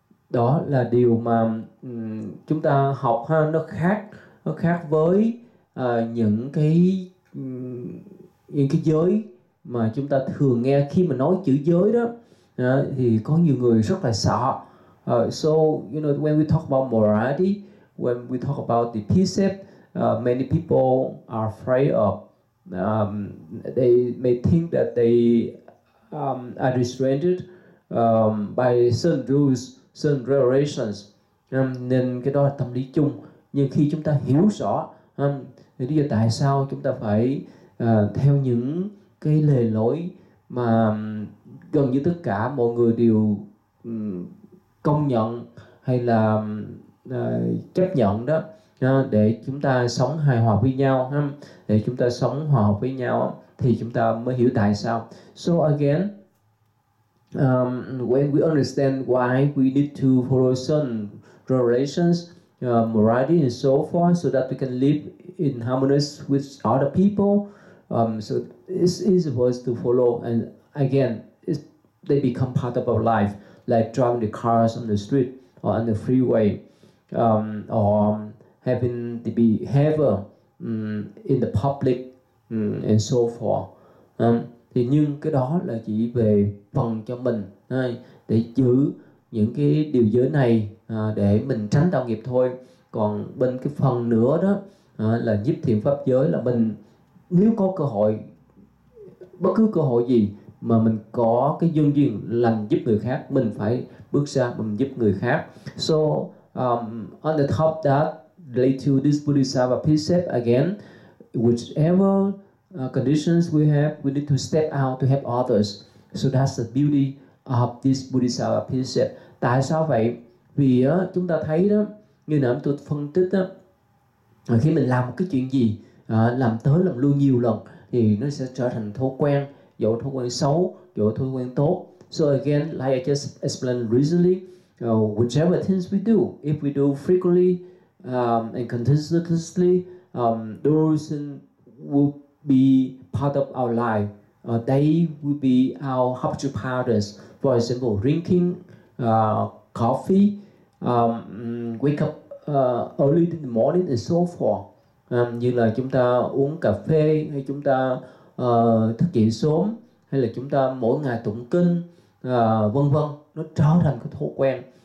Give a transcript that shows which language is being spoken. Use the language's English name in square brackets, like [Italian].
[Vietnamese] Đó là điều mà chúng ta học ha, nó khác với những cái giới mà chúng ta thường nghe khi mà nói chữ giới đó, thì có nhiều người rất là sợ. [English] So you know, when we talk about morality, when we talk about the precept, many people are afraid of. They may think that they are restrained by certain rules, certain regulations. [Vietnamese] Nên cái đó là tâm lý chung. Nhưng khi chúng ta hiểu rõ thì bây giờ tại sao chúng ta phải theo những cái lề lối mà gần như tất cả mọi người đều công nhận hay là chấp nhận đó, để chúng ta sống hài hòa với nhau, để chúng ta sống hòa hợp với nhau thì chúng ta mới hiểu tại sao. [English] So again, when we understand why we need to follow certain regulations, morality and so forth, so that we can live in harmony with other people, so it's easy for us to follow. And again, they become part of our life, like driving the cars on the street or on the freeway, or having the behavior in the public, and so forth. [Vietnamese] Thì nhưng cái đó là chỉ về phần cho mình để giữ những cái điều giới này để mình tránh tạo nghiệp thôi. Còn bên cái phần nữa đó là giúp thiện pháp giới, là mình nếu có cơ hội, bất cứ cơ hội gì mà mình có cái duyên duyên lành giúp người khác, mình phải bước ra mình giúp người khác. [English] So on the top that relate to this Bodhisattva precept again, whichever conditions we have, we need to step out to help others. So that's the beauty of this Bodhisattva precept. [Vietnamese] Tại sao vậy? Vì chúng ta thấy đó, như nãy tôi phân tích đó, khi mình làm cái chuyện gì, làm tới làm lui nhiều lần, thì nó sẽ trở thành thói quen, dẫu thói quen xấu, dẫu thói quen tốt. [English] So again, like I just explained recently, whichever things we do, if we do frequently and continuously, those things will be part of our life. They will be our habit patterns. For example, drinking coffee, wake up early in the morning and so forth. [Vietnamese] Như là chúng ta uống cà phê, hay chúng ta thức dậy sớm, hay là chúng ta mỗi ngày tụng kinh, vân vân. Nó trở thành cái thói quen.